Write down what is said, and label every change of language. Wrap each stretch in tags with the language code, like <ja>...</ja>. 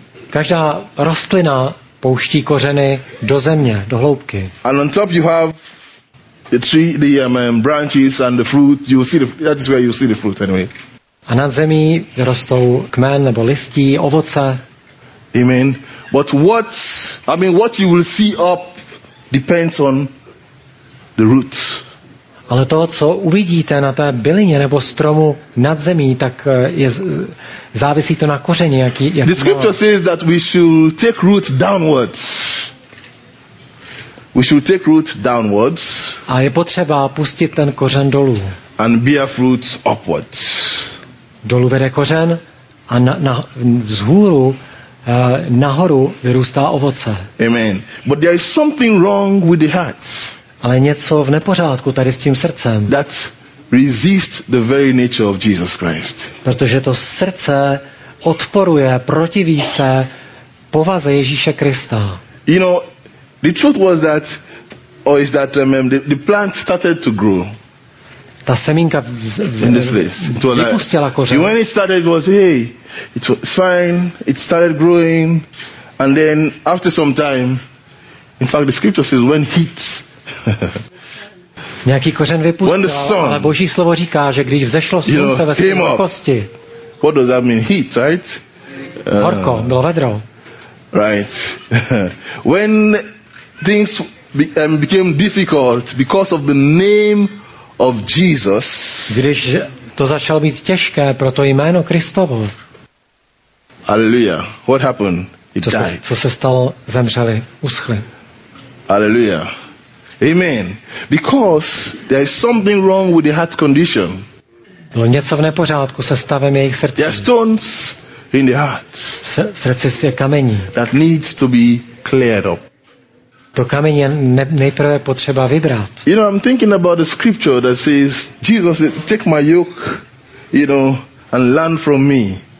<cs>Každá rostlina pouští kořeny do země, do hloubky.</cs> <en>And on top you have the tree, the branches and the fruit. You see, that is where you see the fruit anyway.</en> <cs>A nad zemí rostou kmen nebo listí, ovoce. Amen.</cs> <en>But what you will see up depends on the roots.</en> <cs>Ale to, co uvidíte na té bylině nebo stromu nad zemí, tak je závisí to na kořeni, jaký</cs> <en>The scripture says that we should take root downwards. We should take root downwards.</en> <cs>A je potřeba pustit ten kořen dolů.</cs> <en>And bear fruits upwards.</en> <cs>Dolů vede kořen a na vzhůru, nahoru vyrůstá ovoce. Amen.</cs> <en>But there is something wrong with the heart.</en> <cs>Ale něco v nepořádku tady s tím srdcem.</cs> <en>That resists the very nature of Jesus Christ.</en> <cs>Protože to srdce odporuje, protiví se povaze Ježíše Krista.</cs> <en>You know, the truth was that, or is that the plant started to grow.</en> <cs>Ta semínka vypustila kořen.</cs> <en>When it started, it was it was fine. It started growing, and then after some time, in fact, the scripture says when heat.</en> <cs>Nějaký kořen vypustil, ale Boží slovo říká, že když vzešlo slunce ve své velikosti.</cs> <en>What does that mean? Heat, right?</en> <cs>Horko, bylo vedro.</cs> <en>Right. When things became difficult because of the name of Jesus.</en> <cs>Když to začalo být těžké pro to jméno Kristovo.</cs> <en>Hallelujah. What happened? It died.</en> <cs>Co se stalo? Zemřeli, uschli. Hallelujah. Amen.</cs> <en>Because there is something wrong with the heart condition.</en> <cs>Bylo něco v nepořádku se stavem jejich srdce.</cs> <en>There are stones in the heart.</en> <cs>Srdce je kamení.</cs> <en>That needs to be cleared up.</en> <cs>To kamení nejprve potřeba vybrat.</cs> <en>You know, I'm thinking about a scripture that says, Jesus, take my yoke, you know, and learn from me.</en>